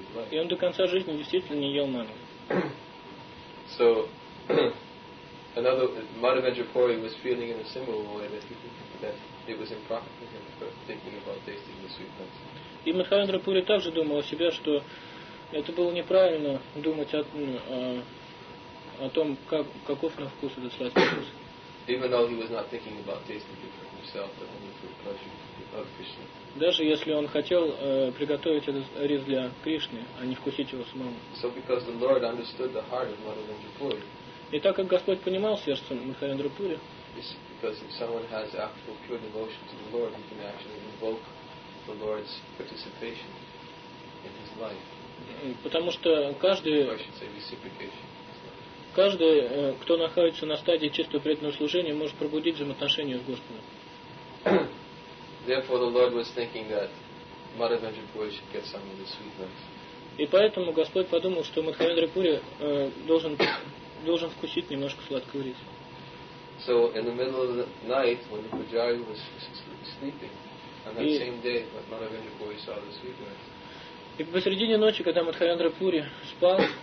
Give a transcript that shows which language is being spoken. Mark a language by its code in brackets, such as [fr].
[ru] И он до конца жизни действительно не ел манго. [en] So, another Madhavendra Puri was feeling in a similar way that, he, that it was improper for him for thinking about tasting the sweet rice. [ru] И Мадхавендра Пури также думал о себе, что это было неправильно думать о том, каков на вкус этот сладкий вкус. [en] Even though he was not thinking about tasting it for himself, but only for the pleasure of Krishna. [ru] Даже если он хотел приготовить этот рис для Кришны, а не вкусить его самому. [en] So because the Lord understood the heart of Madhavendra Puri. [ru] И так как Господь понимал сердце Мадхавендра Пури, [en] because if someone has actual pure devotion to the Lord, he can actually invoke the Lord's participation in his life. [ru] Потому что каждый, кто находится на стадии чистого преданного служения, может пробудить взаимоотношения с Господом. [en] Therefore, the Lord was thinking that Madhavendra Puri should get some of the sweet rice. [ru] И поэтому Господь подумал, что Мадхавендра Пури должен вкусить немножко сладкого риса. [en] So in the middle of the night, when the pujari was sleeping, on that same day, Madhavendra Puri saw the sweet rice. [ru] И посредине ночи, когда Мадхавендра Пури спал,